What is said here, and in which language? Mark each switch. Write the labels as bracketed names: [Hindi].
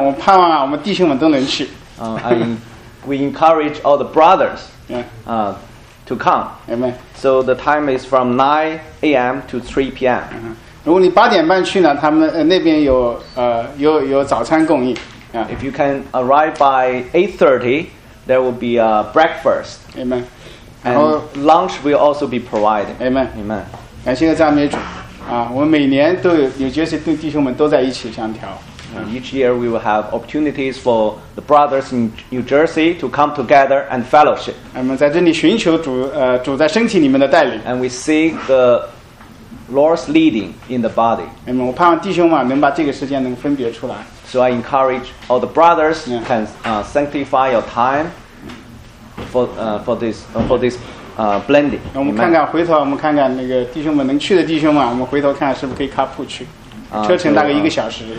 [Chinese] 我盼望我们弟兄们都能去。 [English] We encourage all the brothers to come. Amen. So the time is from 9 a.m. to 3 p.m. [Chinese] 如果你八点半去呢，他们那边有早餐供应。 [English] If you can arrive by 8:30, there will be a breakfast. Amen. And lunch will also be provided. Amen. Amen. [Chinese] 感谢赞美主。我们每年都有纽约市弟兄们都在一起相调。 [English] Each year we will have opportunities for the brothers in New Jersey to come together and fellowship. [Chinese] 我们在这里寻求主在身体里面的带领。 [English] And we seek the Lord's leading in the body. Amen. [Chinese] 我盼望弟兄们能把这个时间能分别出来。 [English] So I encourage all the brothers can sanctify your time for this blending. [Chinese] 我们看看回头，我们看看那个弟兄们能去的弟兄们，我们回头看是不是可以 carpool 去，车程大概一个小时。